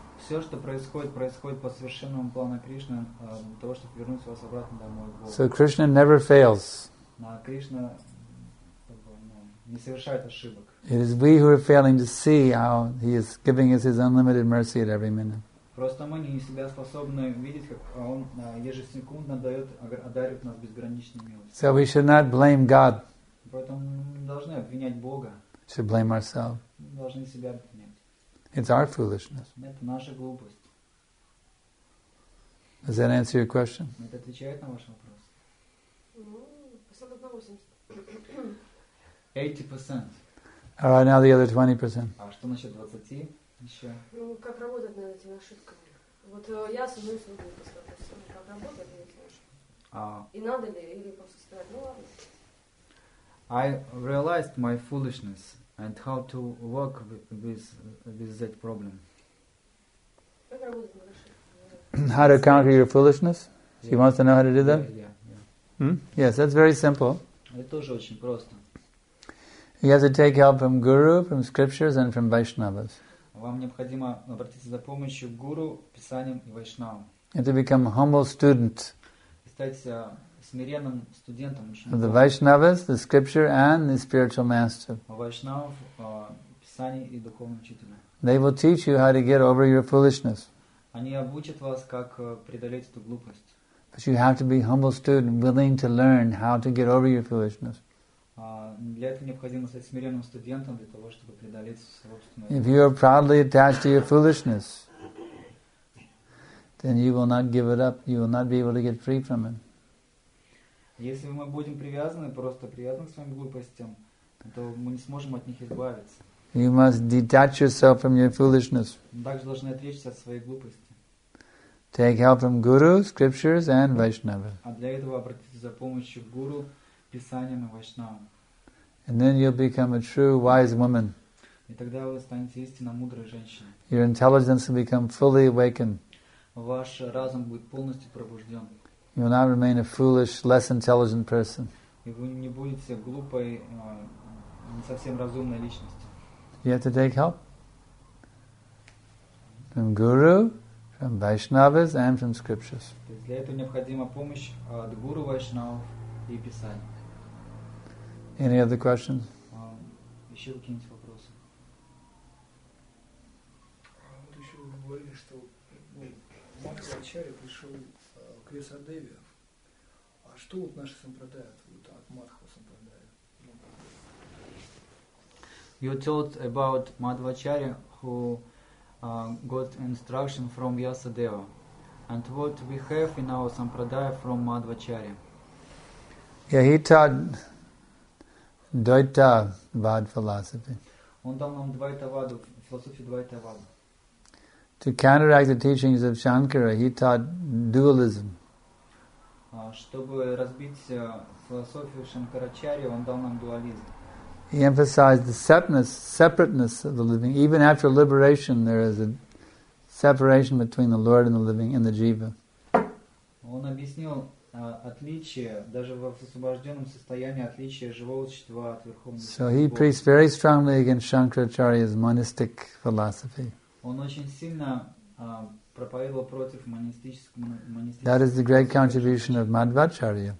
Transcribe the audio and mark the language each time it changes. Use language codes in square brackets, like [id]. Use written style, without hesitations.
[ru] Все, что происходит, происходит по совершенному плану Кришны, для того, чтобы вернуть вас обратно домой. [en] So Krishna never fails. [ru] А Кришна не совершает ошибок. [en] It is we who are failing to see how he is giving us his unlimited mercy at every minute. [ru] Просто мы не себя способны видеть, как он ежесекундно дает, одаривает нас безграничной милостью. [en] So we should not blame God. [ru] Поэтому мы не должны обвинять Бога. [en] We should blame ourselves. [ru] Мы должны себя обвинять. [en] It's our foolishness. [ru] Это наша глупость. [en] Does that answer your question? [ru] Это отвечает на ваш вопрос? Ну, процентов на 80. 80%. [en] All right, now the other 20%. [ru] А что насчет 20? Еще. Ну, как работать над этими ошибками? Вот я с одной стороны буду посмотреть, как работать над этими ошибками. И надо ли, или просто сказать, ну ладно. [en] I realized my foolishness and how to work with that problem. [ru] Как работать над ошибками? [en] How to conquer your foolishness? She wants to know how to do that? Yeah. Yes, that's very simple. [ru] Это тоже очень просто. [en] You have to take help from guru, from scriptures, and from Vaishnavas. [ru] Вам необходимо обратиться за помощью к гуру, писаниям и вайшнавам. [en] And to become a humble student. [ru] Стать смиренным студентом. [en] The Vaishnavas, the scripture, and the spiritual master. [ru] Вайшнавов, писаний и духовным учителем. [en] They will teach you how to get over your foolishness. [ru] Они обучат вас, как преодолеть эту глупость. [en] But you have to be a humble student, willing to learn how to get over your foolishness. [ru] Для этого необходимо стать смиренным студентом, для того, чтобы преодолеть собственную... [en] If you are proudly attached to your foolishness, then you will not give it up. You will not be able to get free from it. [ru] Если мы будем привязаны, просто привязаны к своим глупостям, то мы не сможем от них избавиться. [en] You must detach yourself from your foolishness. [ru] Также должны отречься от своей глупости. [en] Take help from guru, scriptures, and Vaishnava. [ru] А для этого обратитесь за помощью к гуру, писаниям и вайшнавам. [en] And then you'll become a true wise woman. [ru] И тогда вы станете истинно мудрой женщиной. [en] Your intelligence will become fully awakened. [ru] Ваш разум будет полностью пробужден. [en] You will not remain a foolish, less intelligent person. [ru] И вы не будете глупой, не совсем разумной личностью. [en] You have to take help from guru, from Vaishnavas, and from scriptures. [ru] Для этого необходима помощь от гуру, вайшнавов и писаний. [en] Any other questions? [ru] Еще какие-нибудь вопросы? Вот еще вы говорили, что Махарадж Ачарья пришел к Ясодеве. А что вот наши сампрадая от Махарадж Ачарья? [en] You told about Madhvacharya who got instruction from Vyasadeva. And what we have in our Sampradaya from Madhvacharya? Yeah, he taught Dvaitavad philosophy. [ru] Он дал нам Двайтаваду, философию Двайтаваду. [en] To counteract the teachings of Shankara, he taught dualism. [ru] Чтобы разбить философию Шанкарачарья, он дал нам дуализм. [en] He emphasized the separateness of the living. Even after liberation, there is a separation between the Lord and the living and the jiva. [ru] Он объяснил отличие даже в освобожденном состоянии отличие живого существа от верховного. [en] So he preached very strongly against Shankaracharya's monistic philosophy. [ru] Он очень сильно проповедовал против монистического. [en] That is the great contribution of Madhvacharya.